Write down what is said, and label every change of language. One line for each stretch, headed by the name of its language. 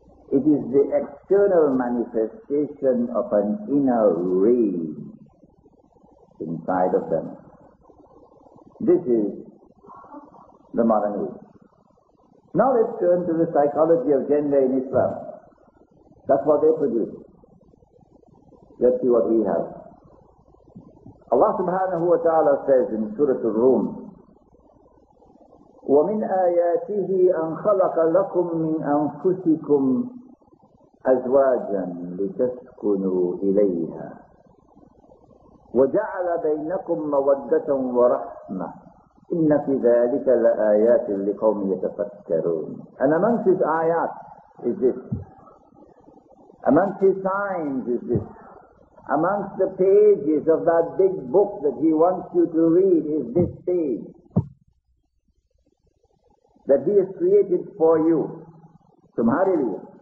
English: It is the external manifestation of an inner rage inside of them. This is the modern age. Now let's turn to the psychology of gender in Islam. That's what they produce. Let's see what we have. Allah subhanahu wa ta'ala says in Surah Al-Rum,
Arabic: وَمِنْ آيَاتِهِ أَنْ خَلَقَ لَكُمْ مِنْ أَنْفُسِكُمْ أَزْوَاجًا لِتَسْكُنُوا إِلَيْهَا وَجَعَلَ بَيْنَكُمْ مَوَدَّةً وَرَحْمَةً إِنَّ فِي ذَٰلِكَ لَآيَاتٍ لِقَوْمٍ يَتَفَكَّرُونَ.
English: And amongst his ayat is this. Amongst his signs is this. Amongst the pages of that big book that he wants you to read is this page. That he has created for you.
Urdu: Tumhare liye.